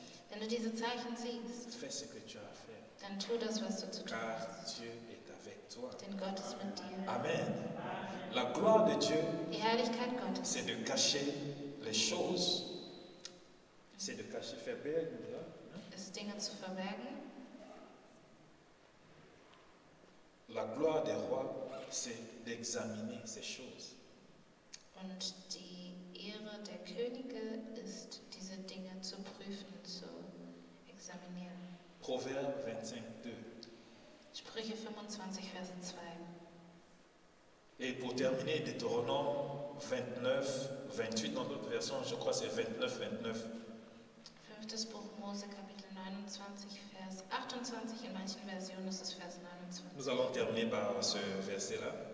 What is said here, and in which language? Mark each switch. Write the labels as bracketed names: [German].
[German] Wenn du diese Zeichen siehst, dann tu das, was du zu tun hast. Denn Gott ist mit dir. [French] Amen. La gloire de Dieu, [German] die Herrlichkeit Gottes, [French] c'est de cacher les choses, c'est de cacher, [German] verbergen, oder? Ist Dinge zu verbergen. [French] La gloire des rois, c'est d'examiner ces choses. [German] Und die Ehre der Könige ist, diese Dinge zu prüfen, zu examinieren. [French] Proverbe 25,2. [German] Sprüche 25, Vers 2. [French] Et pour terminer, Deutéronome 29, 28, dans notre version, je crois que c'est 29, 29. [German] 5. Buch Mose, Kapitel 29, Vers 28, in manchen Versionen ist es Vers 29. [French] Nous allons terminer par ce verset-là.